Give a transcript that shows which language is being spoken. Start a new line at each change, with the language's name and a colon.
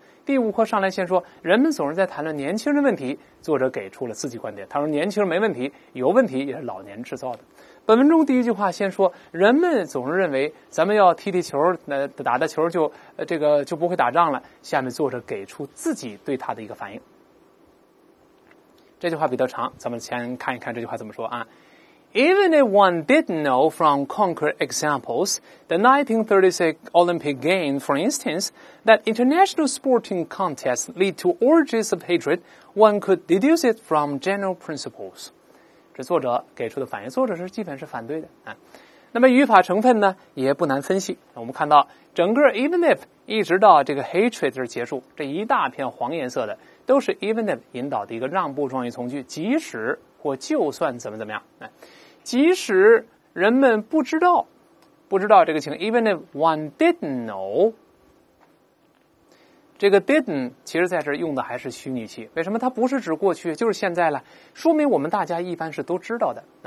Chinese: 第五课上来先说，人们总是在谈论年轻人问题，作者给出了自己观点，他说年轻人没问题，有问题也是老年制造的。本文中第一句话先说，人们总是认为咱们要踢踢球，打打球就这个就不会打仗了。下面作者给出自己对他的一个反应。这句话比较长，咱们先看一看这句话怎么说啊。
English: Even if one did know from concrete examples, the 1936 Olympic Games, for instance, that international sporting contests lead to orgies of hatred, one could deduce it from general principles.
Chinese: 这作者给出的反应，作者是基本是反对的啊。那么语法成分呢，也不难分析。我们看到整个 even if 一直到这个 hatred 这结束，这一大片黄颜色的都是 even if 引导的一个让步状语从句，即使或就算怎么怎么样，即使人们不知道这个情况，
English: even if one didn't know，
Chinese: 这个 didn't 其实在这用的还是虚拟器，为什么它不是指过去就是现在了，说明我们大家一般是都知道的。